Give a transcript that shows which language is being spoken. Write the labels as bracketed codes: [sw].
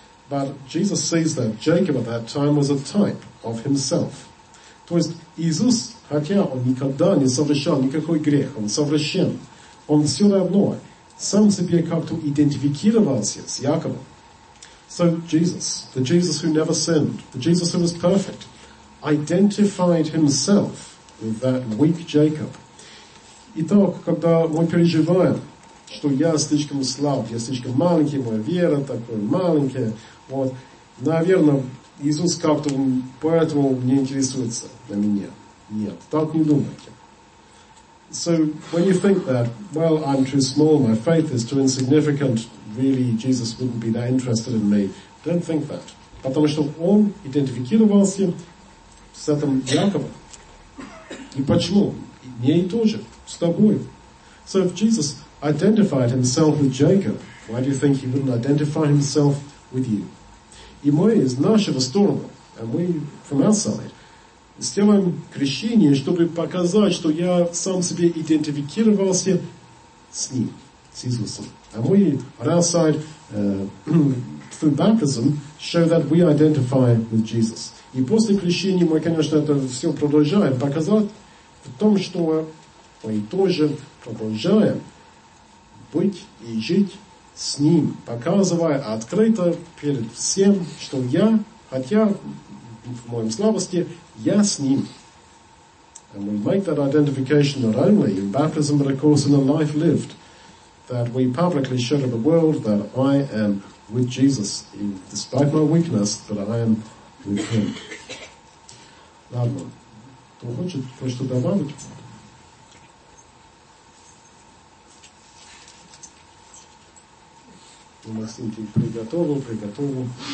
[en] But Jesus sees that Jacob at that time was a type of himself. [ru] То есть Иисус, хотя он никогда не совершал никакой грех, он совершен, он все равно сам себе как-то идентифицировался с Яковом. [en] So Jesus, the Jesus who never sinned, the Jesus who was perfect, identified himself with that weak Jacob. [ru] Итак, когда мы переживаем, что я слишком слаб, я слишком маленький, моя вера такая маленькая, вот, наверное, Иисус как-то поэтому не интересуется на меня. Нет, так не думайте. [en] So, when you think that, well, I'm too small, my faith is too insignificant, really, Jesus wouldn't be that interested in me, don't think that. [ru] Потому что он идентифицировался с этим Яковом. И почему? Мне и тоже, с тобой. [en] So, if Jesus identified himself with Jacob, why do you think he wouldn't identify himself with you? [ru] И мы из нашего стороны, [en] and we from outside, [ru] сделаем крещение, чтобы показать, что я сам себе идентифицировался с ним, с Иисусом. [en] And we, on our side, through baptism, show that we identify with Jesus. [ru] И после крещения мы, конечно, это все продолжаем показать в том, что мы тоже продолжаем быть и жить с ним, показывая открыто перед всем, что я, хотя в моем слабости, я с ним. [en] And we make that identification not only in baptism, but of course in the life lived, that we publicly show to the world that I am with Jesus, despite my weakness, but I am with him. [ru] Ладно. Кто хочет кое-что добавить? Мастинки приготовил, приготовил.